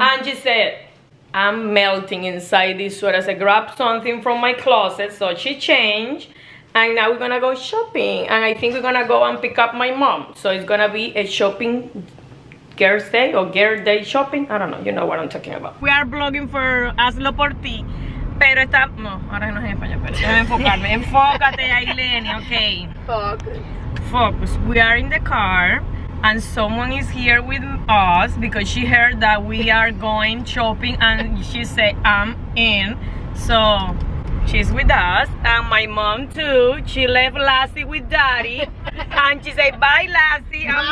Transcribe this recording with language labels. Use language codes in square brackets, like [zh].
[en] And she said, I'm melting inside this sweater. I said, grab something from my closet. So she changed and now we're gonna go shopping. And I think we're gonna go and pick up my mom. So it's gonna be a shopping girl's day or girl day shopping. I don't know, you know what I'm talking about. We are vlogging for Hazlo Por Ti. [es] Pero está, no, ahora no es en español, pero déjame enfocarme. Enfócate, Aileen, okay. [en] Focus. We are in the car and someone is here with us because she heard that we are going shopping and she said, I'm in. So she's with us and my mom too. She left Lassie with daddy and she said, bye Lassie, I'm